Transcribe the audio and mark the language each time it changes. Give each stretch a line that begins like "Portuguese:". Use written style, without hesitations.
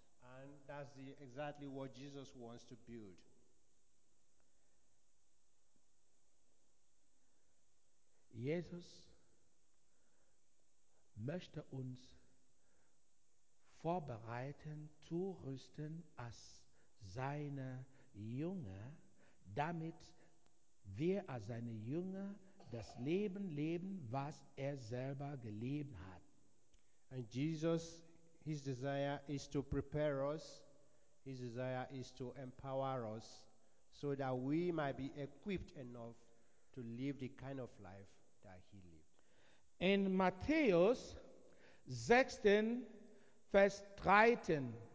English: And that's exactly what Jesus wants to build.
German: Jesus möchte uns vorbereiten, zurüsten als seine Jünger, damit wir als seine Jünger das Leben leben, was selber gelebt hat.
English: And Jesus, his desire is to prepare us, his desire is to empower us, so that we might be equipped enough to live the kind of life that he lived.
German: In Matthäus 16, Vers 13.